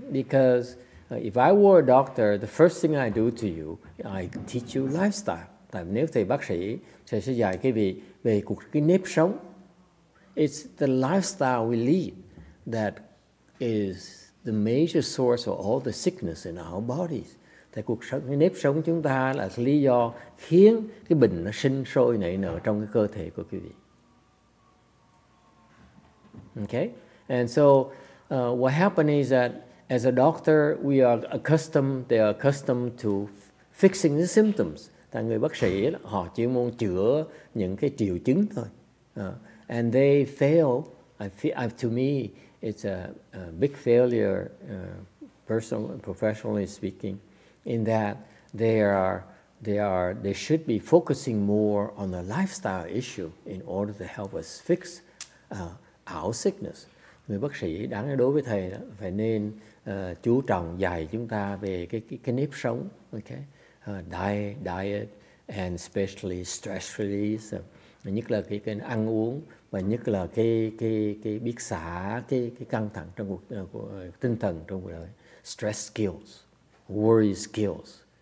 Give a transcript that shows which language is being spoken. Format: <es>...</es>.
<en>Because if I were a doctor, the first thing I do to you, I teach you lifestyle.</en> <vi>Tại nếu thầy bác sĩ, thầy sẽ dạy quý vị về cuộc cái nếp sống.</vi> <en>It's the lifestyle we lead that is the major source of all the sickness in our bodies.</en> <vi>Tại cuộc sống, cái nếp sống chúng ta là lý do khiến cái bệnh nó sinh sôi nảy nở trong cái cơ thể của quý vị.</vi> <en>Okay? And so, what happened is that as a doctor, we are accustomed, they are accustomed to fixing the symptoms.</en> <vi>Tại người bác sĩ, họ chỉ muốn chữa những cái triệu chứng thôi.</vi> <en>And they fail. To me, it's a big failure, personally, professionally speaking, in that they should be focusing more on the lifestyle issue in order to help us fix our sickness.</en> <vi>Người bác sĩ đáng đối với thầy đó, phải nên chú trọng dạy chúng ta về cái nếp sống, okay?</vi> <en>Diet and especially stress release,</en> <vi>nhất là cái ăn uống và nhất là cái biết xả cái căng thẳng trong cuộc tinh thần trong cuộc đời,</vi> <en>stress skills, worry skills.</en>